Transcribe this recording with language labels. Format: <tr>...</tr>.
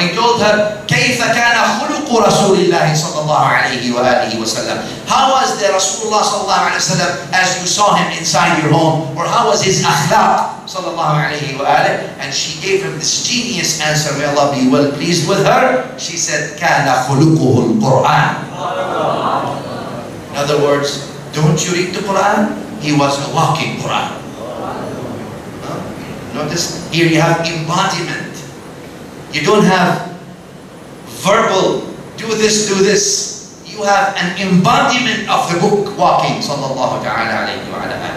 <en>Or he told her,</en> <ar>كَيْفَ كَانَ خُلُقُ رَسُولِ اللَّهِ sallallahu alayhi wa alayhi wa sallam.</ar> <en>How was the Rasulullah sallallahu alayhi wa sallam as you saw him inside your home? Or how was his akhlaq sallallahu alayhi wa alayhi? And she gave him this genius answer, may Allah be well pleased with her. She said,</en> <ar>كَانَ خُلُقُهُ الْقُرْآنِ.</ar> <en>In other words, don't you read the Qur'an? He was a walking Qur'an. Notice, here you have embodiment. You don't have verbal, do this, do this. You have an embodiment of the book walking, sallallahu ta'ala alayhi wa ala.</en>